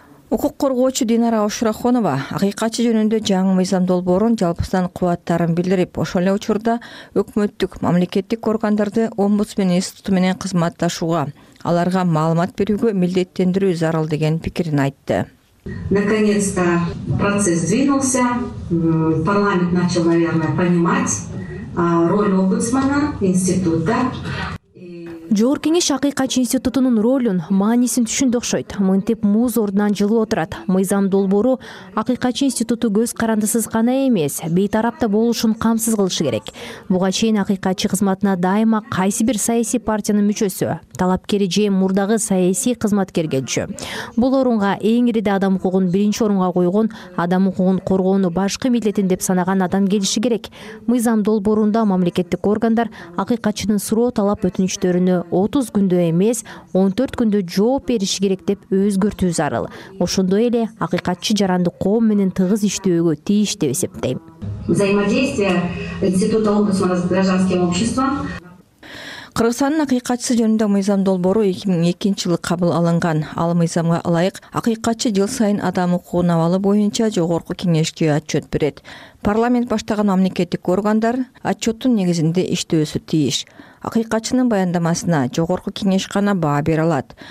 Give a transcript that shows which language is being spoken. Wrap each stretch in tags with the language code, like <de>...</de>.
<ky>Укук коргоочу Динара Ошурахонова акыйкатчы жөнүндө жаңы мыйзам долбоорун жалпысынан кубаттарын билдирип, ошол эле учурда өкмөттүк мамлекеттик органдарды омбудсмен институту менен кызматташууга, аларга маалымат берүүгө милдеттендирүү зарыл деген пикирин айтты.</ky> <ru>Наконец-то процесс двинулся, парламент начал, наверное, понимать роль омбудсмена, института.</ru> <ky>Жогору кеңеш акыйкатчы институтунун ролун, маанисин түшүндү окшойт. Мынтип муз ордунан жылуу отурат. Мыйзам долбоору акыйкатчы институту көз карандысыз гана эмес, бейтарапта болушун камсыз кылышы керек. Буга чейин акыйкатчы кызматына дайыма кайсы бир саясий партиянын мүчөсү, талапкери же мурдагы саясий кызматкер келчү. Бул орунга эң ириде адам укугун биринчи орунга койгон, адам укугун коргоону башкы милдетин деп санаган адам келиши керек. Мыйзам долбоорунда мамлекеттик органдар акыйкатчынын суроо талап өтүнүчтөрүн 30 күндө эмес, 14 күндө жооп бериши керек деп өзгөртүү зарыл. Ошондой эле акыйкатчы жарандык коом менен тыгыз иштөөгө тийиш деп эсептейм.</ky> <ru>Взаимодействие института омбудсмана с гражданским обществом.</ru> <ky>Кыргызстандын акыйкатчысы жөнүндө мыйзам долбоору 2002 жылы кабыл алынган. Ал мыйзамга ылайык акыйкатчы жыл сайын адам укугун абалы боюнча жогорку кеңешке отчет берет. Парламент баштаган мамлекеттик органдар отчеттун негизинде иштөөсү тийиш. Акыйкатчынын баяндамасына жогорку кеңеш гана баа бере алат.</ky>